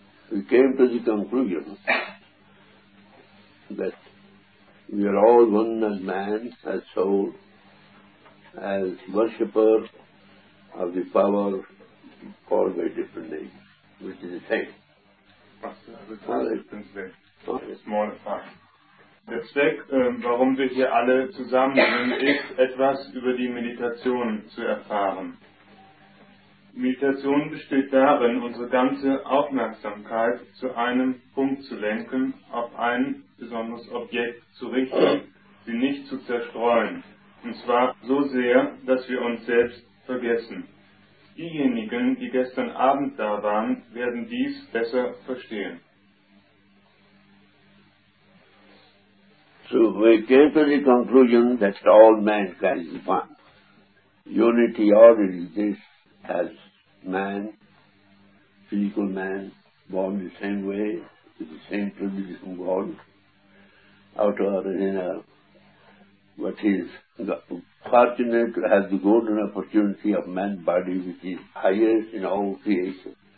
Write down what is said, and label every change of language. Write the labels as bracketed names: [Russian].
[English] We came to the conclusion that we are all one as man, as soul, as worshipper of the power called by different names, which is the same. [German] Der Zweck, warum wir hier alle zusammen sind, ist, etwas über die Meditation zu erfahren. Meditation besteht darin, unsere ganze Aufmerksamkeit zu einem Punkt zu lenken, auf ein besonderes Objekt zu richten, sie nicht zu zerstreuen. Und zwar so sehr, dass wir uns selbst vergessen. diejenigen, die gestern Abend da waren, werden dies besser verstehen. [English] So we came to the conclusion that all mankind is one. Unity already exists as man, physical man, born the same way, with the same privilege from God, out of our inner, what is fortunate to have the golden opportunity of man body, which is highest in all creation.